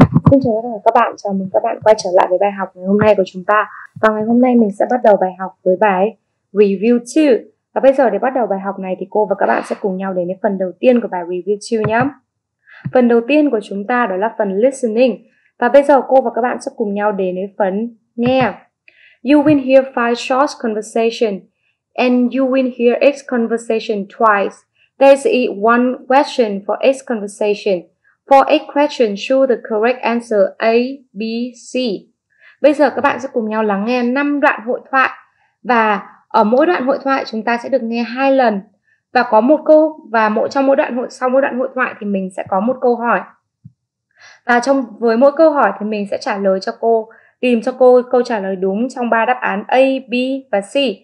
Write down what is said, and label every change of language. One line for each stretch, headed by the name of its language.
Vietnamese: Xin chào các bạn, chào mừng các bạn quay trở lại với bài học ngày hôm nay của chúng ta. Và ngày hôm nay mình sẽ bắt đầu bài học với bài Review 2. Và bây giờ để bắt đầu bài học này thì cô và các bạn sẽ cùng nhau đến với phần đầu tiên của bài Review 2 nhé. Phần đầu tiên của chúng ta đó là phần Listening. Và bây giờ cô và các bạn sẽ cùng nhau đến với phần Nghe.
English: You will hear 5 short conversation and you will hear each conversation twice. There is one question for each conversation. For each question, show the correct answer A, B, C.
Vietnamese: Bây giờ các bạn sẽ cùng nhau lắng nghe 5 đoạn hội thoại. Và ở mỗi đoạn hội thoại chúng ta sẽ được nghe 2 lần. Và có một câu, và sau mỗi đoạn hội thoại thì mình sẽ có một câu hỏi. Và trong với mỗi câu hỏi thì mình sẽ trả lời cho cô, tìm cho cô câu trả lời đúng trong 3 đáp án A, B và C.